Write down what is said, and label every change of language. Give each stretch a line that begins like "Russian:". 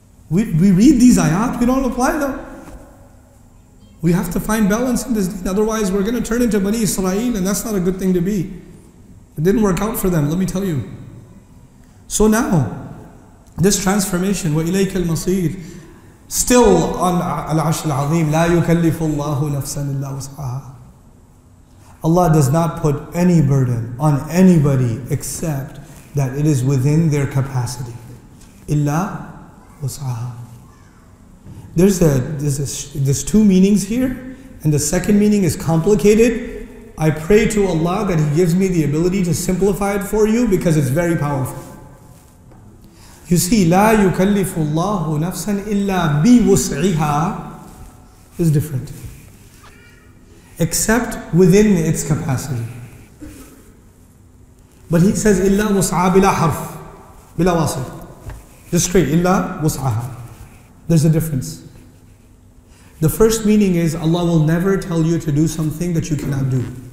English: We read these ayat, we don't apply them. We have to find balance in this. Otherwise we're going to turn into Bani Israel, and that's not a good thing to be. It didn't work out for them, let me tell you. So now, this transformation,
Arabic: وَإِلَيْكَ الْمَصِيرِ.
English: Still on
Arabic: al-'arsh al-'azim, لا يكلف الله نفسا إلا وسعها.
English: Allah does not put any burden on anybody except that it is within their capacity.
Arabic: Illa wasaha.
English: There's two meanings here, and the second meaning is complicated. I pray to Allah that He gives me the ability to simplify it for you because it's very powerful. You see,
Arabic: لا يكلف الله نفسا إلا بوسعها
English: is different. Except within its capacity. But he says,
Arabic: illa wus'a bila harf, bila wasil.
English: Just straight,
Arabic: illa wus'aha.
English: There's a difference. The first meaning is, Allah will never tell you to do something that you cannot do.